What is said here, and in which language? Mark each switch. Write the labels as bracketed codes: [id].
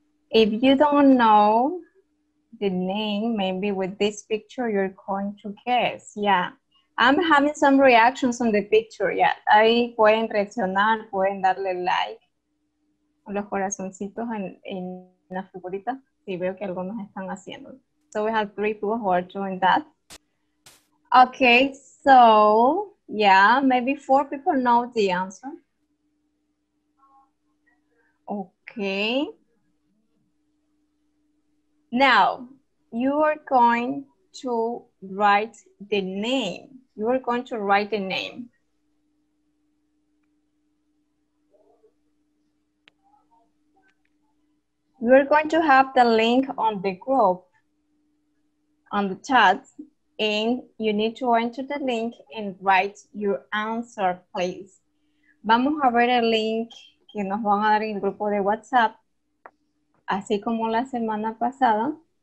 [en] If you don't know the name, maybe with this picture you're going to guess. Yeah, I'm having some reactions on the picture. [es] Yeah, ahí pueden reaccionar, pueden darle like los corazoncitos en la figurita si veo que algunos están haciendo. [en] So we have three people who are doing that. Okay, so yeah, maybe four people know the answer. Okay, now you are going to write the name. You are going to write the name. You are going to have the link on the group, on the chat, and you need to enter the link and write your answer, please. [es] Vamos a ver el link que nos van a dar en el grupo de WhatsApp, así como la semana pasada.